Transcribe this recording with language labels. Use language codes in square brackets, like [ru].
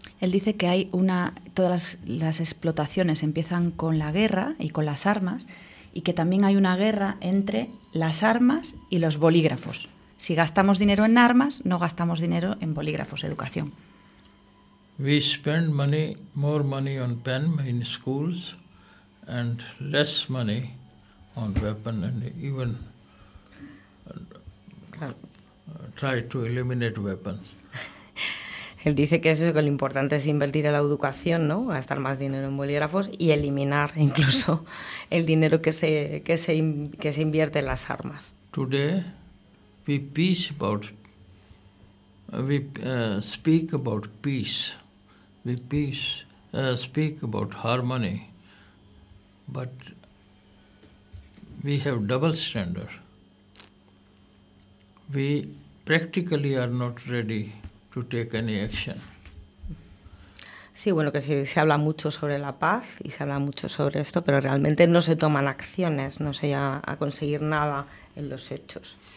[es] Él dice que hay una, todas las explotaciones empiezan con la guerra y con las armas, y que también hay una guerra entre las armas y los bolígrafos. Si gastamos dinero en armas, no gastamos dinero en bolígrafos, educación. [en] We spend money, more money on pen in schools, and less money on weapon and even try to eliminate weapons. [es] Él dice que eso, que lo importante es invertir en la educación, ¿no? Gastar más dinero en bolígrafos y eliminar incluso el dinero que se invierte en las armas. [en] Today we peace about we speak about peace. We peace speak about harmony. But we have double standard. We practically are not ready to take any action. [es] Sí, bueno, que se habla mucho sobre la paz y se habla mucho sobre esto, pero realmente no se toman acciones, no se llega a conseguir nada en los hechos.